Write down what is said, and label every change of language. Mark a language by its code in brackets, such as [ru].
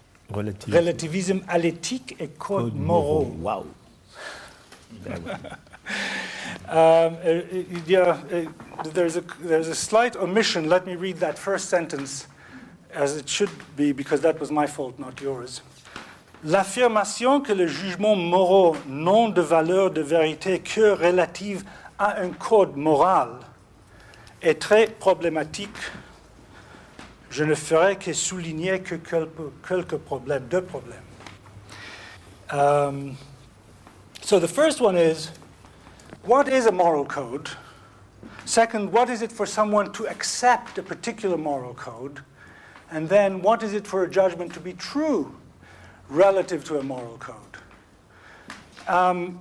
[en] Relativism [fr] à l'éthique et code moraux. Wow. [en] There's a slight omission. Let me read that first sentence as it should be, because that was my fault, not yours. [fr] L'affirmation que les jugements moraux n'ont de valeur de vérité que relative à un code moral est très problématique. Je ne ferai que souligner que quelques problèmes, deux problèmes. [en] So the first one is, what is a moral code? Second, what is it for someone to accept a particular moral code? And then, what is it for a judgment to be true relative to a moral code?